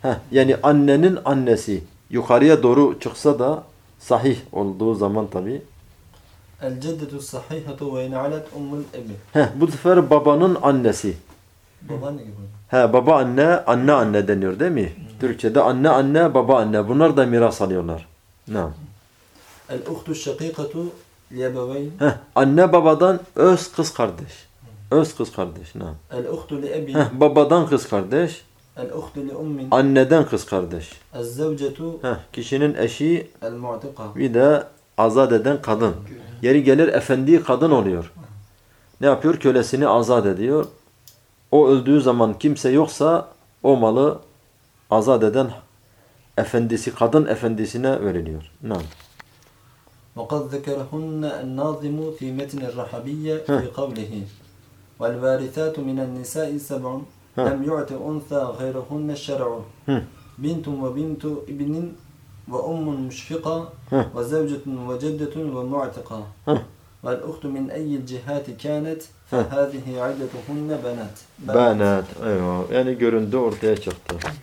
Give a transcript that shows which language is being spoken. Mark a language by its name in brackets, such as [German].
[Turkish] Yani annenin annesi yukarıya doğru çıksa da sahih olduğu zaman tabi. [Arabic] الجدت الصحيحة وإن علت أم الأب. [Turkish] Bu sefer babanın annesi. Baba ne gibi? Baba anne, anne anne deniyor değil mi? Türkçe'de anne anne, baba anne, bunlar da miras alıyorlar. [Arabic] Nam. الأخت الشقيقة لأبوين. [Turkish] Anne babadan öz kız kardeş. Öz kız kardeş, ne? [Arabic] El-ukhtu li-ebi. [Turkish] Babadan kız kardeş. [Arabic] El-ukhtu li-ummi. [Turkish] Anneden kız kardeş. [Arabic] El-zavcetu. [Turkish] Kişinin eşi. [Arabic] El-mu'tika. [Turkish] Bir de azat eden kadın. Yeri gelir efendi kadın oluyor. Ne yapıyor? Kölesini azat ediyor. O öldüğü zaman kimse yoksa o malı azat eden efendisi, kadın efendisine veriliyor. Ne? [Arabic] وَقَدْ ذَكَرَهُنَّ النَّاظِمُ فِي مَتْنِ الرَّحَبِيَّ فِي قَوْلِهِ والوارثات من النساء سبع لم يعط انثى غيرهن الشرع بنت وبنت ابن وام مشفقه وزوجة وجدة ومعتقه والاخت من اي الجهات كانت فهذه عدتهن بنات بنات ايوه يعني [Turkish] göründü ortaya çıktı.